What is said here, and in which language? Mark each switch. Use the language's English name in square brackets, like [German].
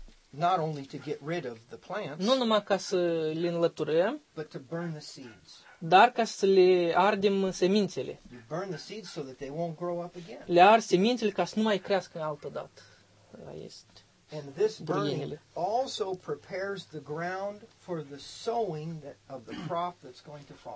[English] Not only to get rid of the plants. [Romanian] Nu numai ca să le înlăturăm. [English] But to burn the seeds. [Romanian] Dar ca să le ardem semințele. [English] You burn the seeds so that they won't grow up again. [Romanian] Le ard semințele ca să nu mai crească altă dată. [English] And this burning also prepares the ground for the sowing of the crop that's going to follow.